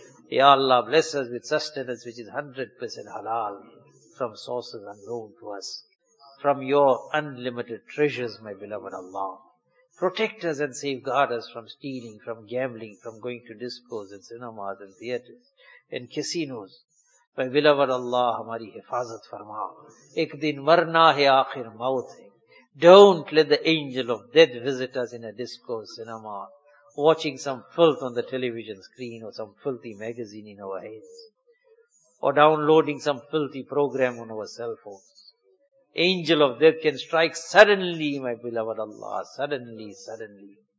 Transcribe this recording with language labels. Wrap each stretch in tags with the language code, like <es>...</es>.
<en>Ya Allah, bless us with sustenance which is 100% halal from sources unknown to us. From your unlimited treasures, my beloved Allah. Protect us and safeguard us from stealing, from gambling, from going to discos and cinemas and theatres and casinos.</en> <ur>اے ولور اللہ ہماری حفاظت فرما, ایک دن مرنا ہے آخر موت ہے.</ur> <en>Don't let the angel of death visit us in a disco cinema, watching some filth on the television screen or some filthy magazine in our heads, or downloading some filthy program on our cell phones. Angel of death can strike suddenly, my beloved Allah, suddenly.</en>